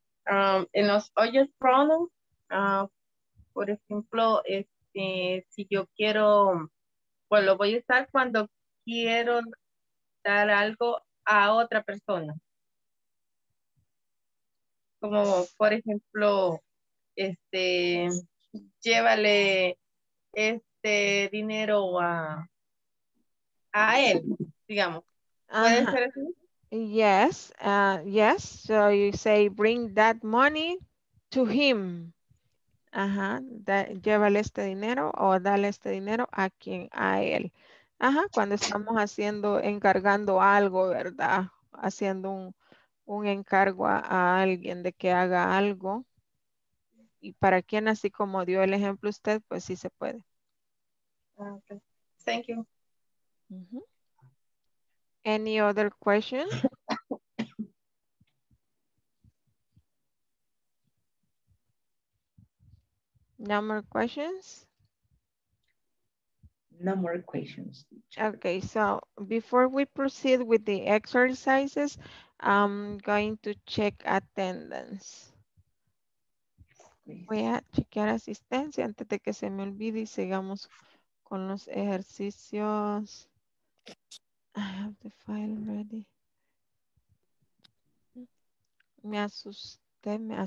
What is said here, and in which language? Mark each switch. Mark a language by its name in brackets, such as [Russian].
[Spanish] En los hoyos pronouns, por ejemplo, este, si yo quiero, pues lo voy a usar cuando quiero dar algo a otra persona. Como por ejemplo, este, llévale este dinero a él, digamos. ¿Puede ser así? [English] Yes, yes. So you say bring that money to him. [Spanish] Ajá, llévale este dinero o dale este dinero a quien, a él. Ajá, cuando estamos haciendo, encargando algo, ¿verdad? Haciendo un encargo a alguien de que haga algo. Y para quien, así como dio el ejemplo usted, pues sí se puede. [English] Okay. Thank you. Uh-huh. Any other question? No more questions? No more questions. Okay, so before we proceed with the exercises, I'm going to check attendance. [Spanish] Voy a chequear asistencia antes de que se me olvide y sigamos con los ejercicios. [English] I have the file ready. [Spanish] Me asusté.